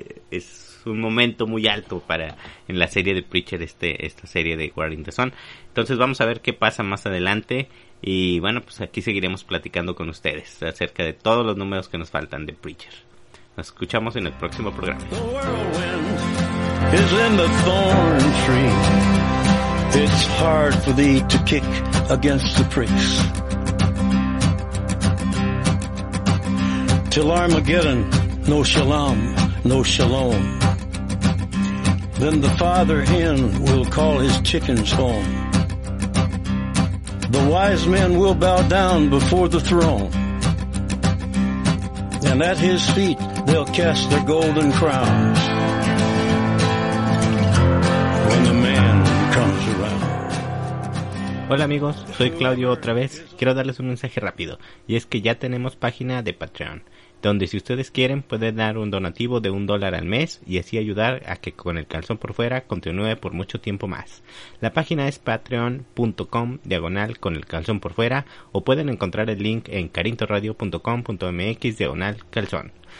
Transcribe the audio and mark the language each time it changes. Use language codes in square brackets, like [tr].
[es] Es un momento muy alto para en la serie de Preacher, esta serie de War in the Sun. Entonces vamos a ver qué pasa más adelante. Y bueno, pues aquí seguiremos platicando con ustedes acerca de todos los números que nos faltan de Preacher. Nos escuchamos en el próximo programa. [en] The whirlwind is in the thorn tree. It's hard for thee to kick against the pricks. Till Armageddon, no shalom, no shalom. Then the father hen will call his chickens home. The wise men will bow down before the throne. And at his feet, they'll cast their golden crowns when the man comes around. [es] Hola amigos, soy Claudio otra vez. Quiero darles un mensaje rápido, y es que ya tenemos página de Patreon, donde si ustedes quieren pueden dar un donativo de $1 al mes y así ayudar a que Con el Calzón por Fuera continúe por mucho tiempo más. La página es patreon.com/con el calzón por fuera, o pueden encontrar el link en carintoradio.com.mx/calzón.